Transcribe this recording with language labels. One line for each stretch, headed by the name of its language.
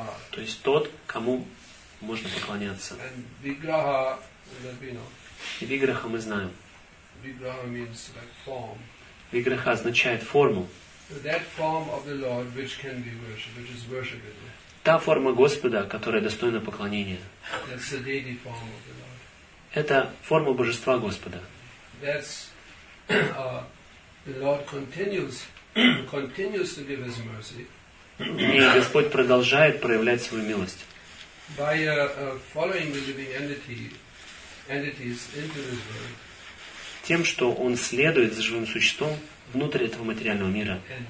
Russian: То есть тот, кому можно поклоняться. И Виграха мы знаем.
English: Виграха means like form.
Russian: Виграха означает форму.
English: That form of the Lord which can be worshipped, which is worshipable.
Russian: Та форма Господа, которая достойна поклонения.
English: That's the deity form of the Lord.
Russian: Это форма Божества Господа.
English: That's the Lord continues to give His mercy.
Russian: И Господь продолжает проявлять свою милость.
English: By following the living entities into this world.
Russian: Тем, что он следует за живым существом внутрь этого материального мира.